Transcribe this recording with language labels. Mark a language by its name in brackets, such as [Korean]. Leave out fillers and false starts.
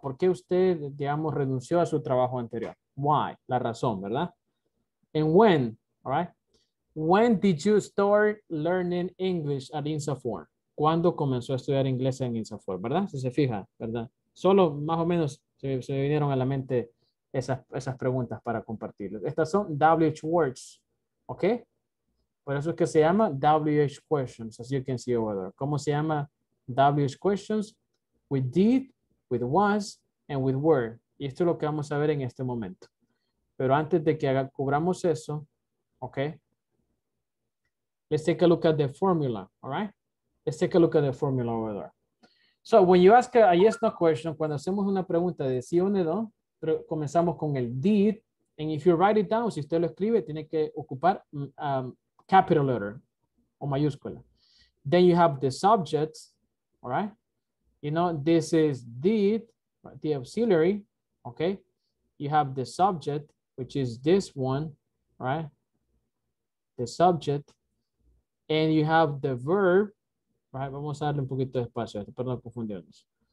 [Spanish] ¿Por qué usted, digamos, renunció a su trabajo anterior? [English] Why? [Spanish] La razón, ¿verdad? [English] And when, all right? When did you start learning English at INSAFORP? [Spanish] ¿Cuándo comenzó a estudiar inglés en INSAFORP? ¿Verdad? Si se fija, ¿verdad? Solo más o menos se me vinieron a la mente esas preguntas para compartirlas. Estas son WH words, ¿ok? Por eso es que se llama WH questions, [English] as you can see over there. [Spanish] ¿Cómo se llama [English] WH questions? With did, with was, and with were. [Spanish] Y esto es lo que vamos a ver en este momento. Pero antes de que cubramos eso, ¿ok? [English] Let's take a look at the formula, all right? Let's take a look at the formula over there. So when you ask a yes, no question, [Spanish] cuando hacemos una pregunta de sí o no, pero comenzamos con el did, [English] and if you write it down, [Spanish] si usted lo escribe, tiene que ocupar... [English] capital letter [Spanish] o mayúscula. [English] Then you have the subject, all right? You know, this is did, the auxiliary, okay? You have the subject, which is this one, right? The subject, and you have the verb, right? [Spanish] Vamos a darle un poquito de espacio, para no confundirnos.